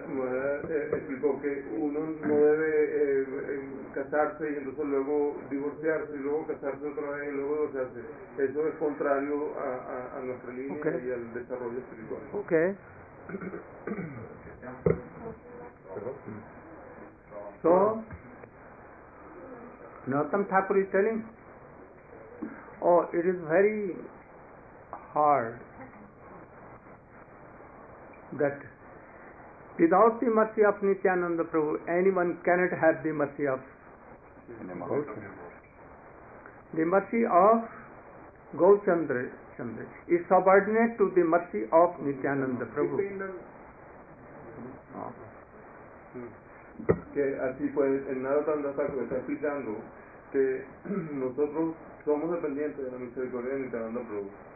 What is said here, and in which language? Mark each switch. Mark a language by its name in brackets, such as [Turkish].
[Spanish] explicó que uno no debe casarse y entonces luego divorciarse y luego casarse otra vez y luego divorciarse. Eso es contrario a nuestra línea y al desarrollo espiritual. [English] So Narottam Thakur is telling, it is very hard that without the mercy of Nityananda Prabhu, anyone cannot have the mercy of Gauchandra. The mercy of Gauchandra is subordinate to the mercy of Nityananda Prabhu. Dependent [Spanish] Que así pues el Narottanda Thakur está explicando que nosotros somos dependientes de la misericordia de Nityananda Prabhu.